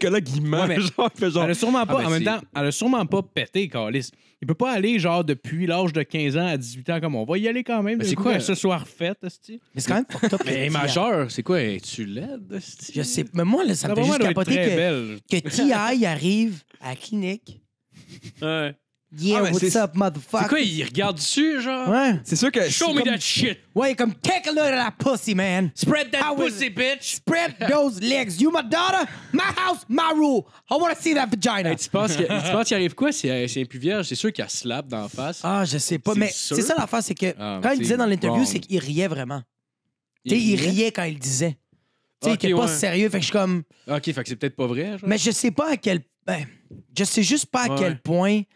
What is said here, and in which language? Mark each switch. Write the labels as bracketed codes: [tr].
[fr] elle a sûrement pas. Ah, en même temps, elle a sûrement pas pété, Calis. Il peut pas aller genre depuis l'âge de 15 ans à 18 ans comme on va y aller quand même. C'est quoi ce soir fête, esti? Mais c'est quand même pour top. Mais majeur, c'est quoi? Es-tu laide, esti? Je sais. Mais moi, là, ça me fait juste capoter que T.I. arrive à la clinique. Ouais. [en] Yeah, what's up, motherfucker? [fr] C'est quoi? Il regarde dessus, genre? Ouais. C'est sûr que. [en] Show me that shit! [fr] Ouais, comme [en] take a look at that pussy, man. Spread that pussy, bitch. Spread those legs. You my daughter, my house, my rule. I want to see that vagina. [fr] Hey, tu penses qu'il arrive quoi si elle est plus vierge? C'est sûr qu'il y a slap dans la face. Ah, je sais pas. Mais c'est ça l'affaire, c'est que quand il disait dans l'interview, c'est qu'il riait vraiment. Tu sais, il riait quand il disait. Tu sais, il était pas sérieux. Fait que je suis comme. Ok, fait que c'est peut-être pas vrai. Genre. Mais je sais pas à quel. Ben, je sais juste pas à quel point.